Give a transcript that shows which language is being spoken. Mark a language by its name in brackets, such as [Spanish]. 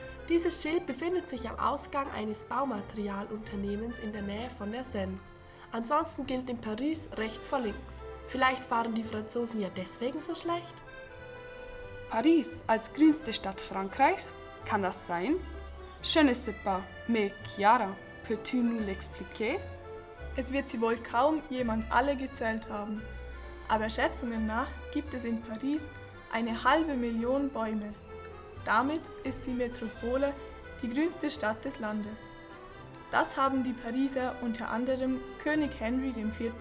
[German] Dieses Schild befindet sich am Ausgang eines Baumaterialunternehmens in der Nähe von der Seine. Ansonsten gilt in Paris rechts vor links. Vielleicht fahren die Franzosen ja deswegen so schlecht? Paris als grünste Stadt Frankreichs? Kann das sein? [French] Je ne sais pas, mais Chiara, peux-tu nous l'expliquer? [German] Es wird sie wohl kaum jemand alle gezählt haben. Aber Schätzungen nach gibt es in Paris eine 500.000 Bäume. Damit ist die Metropole die grünste Stadt des Landes. Das haben die Pariser unter anderem König Henry IV.